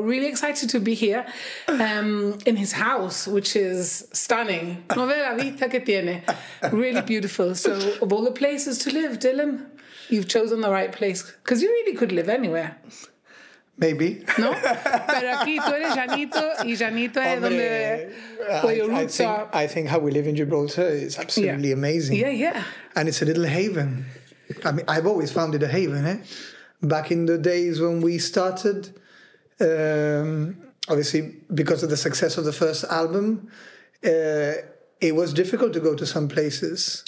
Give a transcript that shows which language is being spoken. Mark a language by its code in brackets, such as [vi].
[en] Really excited to be here in his house, which is stunning. [es] No ve la vista que tiene. [en] Really beautiful. So of all the places to live, Dylan, you've chosen the right place. Because you really could live anywhere. Maybe. No? [es] Pero aquí tú eres llanito y llanito es donde... [en] I think how we live in Gibraltar is absolutely amazing. Yeah, yeah. And it's a little haven. I mean, I've always found it a haven, eh? Back in the days when we started, obviously because of the success of the first album, it was difficult to go to some places.